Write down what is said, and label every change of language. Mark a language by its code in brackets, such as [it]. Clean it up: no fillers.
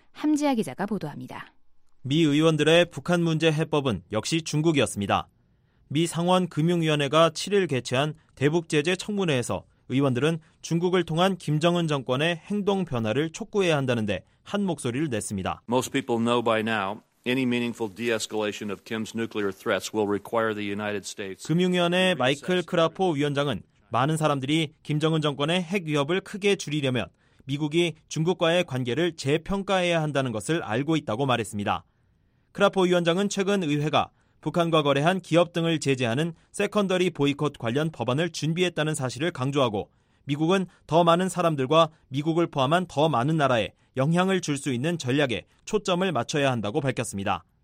[ko] 함지아 기자가 보도합니다. 미 의원들의 북한 문제 해법은 역시 중국이었습니다. 미 상원 금융위원회가 7일 개최한 대북 제재 청문회에서 의원들은 중국을 통한 김정은 정권의 행동 변화를 촉구해야 한다는데 한 목소리를 냈습니다. [en] Most people know by now any meaningful de-escalation of Kim's nuclear threats will require the United States. [ko] 금융위원회 마이클 크라포 위원장은 많은 사람들이 김정은 정권의 핵 위협을 크게 줄이려면 미국이 중국과의 관계를 재평가해야 한다는 것을 알고 있다고 말했습니다. 크라포 위원장은 최근 의회가 북한과 거래한 기업 등을 제재하는 세컨더리 보이콧 관련 법안을 준비했다는 사실을 강조하고 미국은 더 많은 사람들과 미국을 포함한 더 많은 나라에 영향을 줄 수 있는 전략에 초점을 맞춰야 한다고 밝혔습니다.